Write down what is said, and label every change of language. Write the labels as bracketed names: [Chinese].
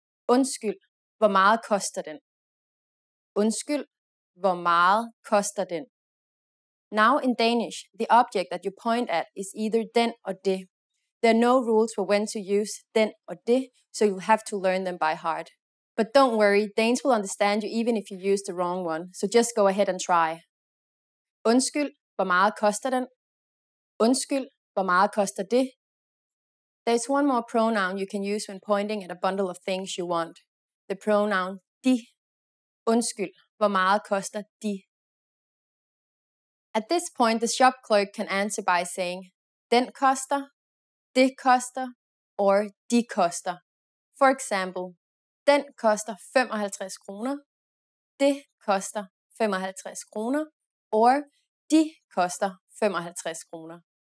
[Danish] Undskyld, hvor meget koster den? Undskyld, hvor meget koster den? [English] Now in Danish, the object that you point at is either den or det. There are no rules for when to use den or det, so you'll have to learn them by heart. But don't worry, Danes will understand you even if you use the wrong one, so just go ahead and try. [Danish] Undskyld, hvor meget koster den? Undskyld, hvor meget koster det? [English] There's one more pronoun you can use when pointing at a bundle of things you want. The pronoun de. [Danish] Undskyld, hvor meget koster de? [English] At this point, the shop clerk can answer by saying [Danish] den koster, det koster, [English] or [Danish] de koster. [English] For example, [Danish] den koster 55 kroner, det koster 55 kroner, [English] or [Danish] de koster 55 kroner.